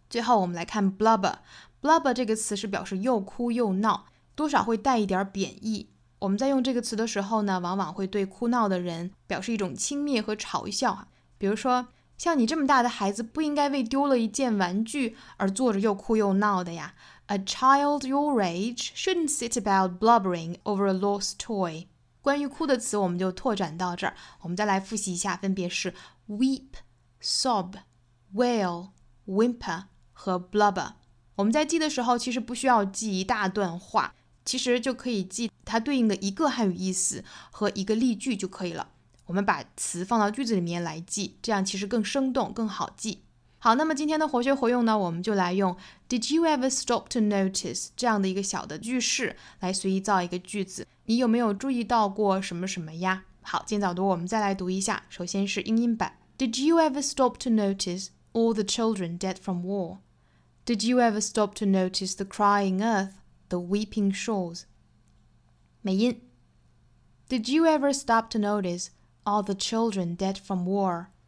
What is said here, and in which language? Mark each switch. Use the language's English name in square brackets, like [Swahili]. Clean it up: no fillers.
[Chinese] 最后我们来看 blubber. Blubber 这个词是表示又哭又闹，多少会带一点贬义。我们在用这个词的时候呢，往往会对哭闹的人表示一种轻蔑和嘲笑。比如说，像你这么大的孩子不应该为丢了一件玩具而坐着又哭又闹的呀。 [English] A child your age shouldn't sit about blubbering over a lost toy. [Chinese] 关于哭的词我们就拓展到这儿，我们再来复习一下，分别是 weep, sob, wail, whimper 和 blubber。我们在记的时候其实不需要记一大段话，其实就可以记它对应的一个汉语意思和一个例句就可以了。我们把词放到句子里面来记，这样其实更生动更好记。好，那么今天的活学活用呢，我们就来用 [English] Did you ever stop to notice [Chinese] 这样的一个小的句式来随意造一个句子，你有没有注意到过什么什么呀。好，今早读我们再来读一下，首先是英音版。 [English] Did you ever stop to notice all the children dead from war? Did you ever stop to notice the crying earth, the weeping shores? [Chinese] 美音。 [English] Did you ever stop to noticeall the children dead from war.